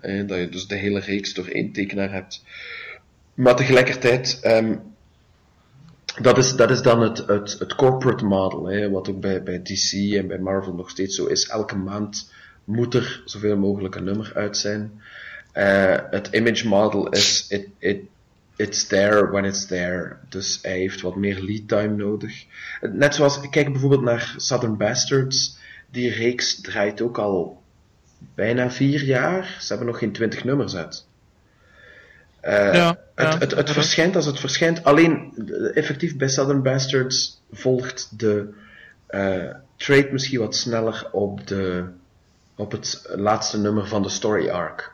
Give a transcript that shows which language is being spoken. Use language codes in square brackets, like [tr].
[nl] Dat je dus de hele reeks door één tekenaar hebt. Maar tegelijkertijd, dat is dan het corporate model, wat ook bij DC en bij Marvel nog steeds zo is. Elke maand moet er zoveel mogelijk een nummer uit zijn. Het image model is, [en] it's there when it's there. [nl] Dus hij heeft wat meer lead time nodig. Net zoals, kijk bijvoorbeeld naar Southern Bastards. Die reeks draait ook al bijna 4 jaar. Ze hebben nog geen 20 nummers uit. Het verschijnt als het verschijnt. Alleen, effectief bij Southern Bastards volgt de trade misschien wat sneller op het laatste nummer van de story arc.